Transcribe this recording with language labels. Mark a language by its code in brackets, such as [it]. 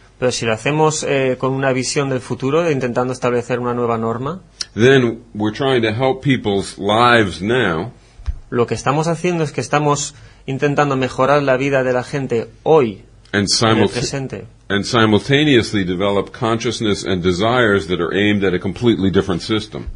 [es] pero si lo hacemos con una visión del futuro, intentando establecer una nueva norma, [en] then we're trying to help people's lives now, [es] lo que estamos haciendo es que estamos intentando mejorar la vida de la gente hoy, en el presente. [en] And simultaneously develop consciousness and desires that are aimed at a completely different system.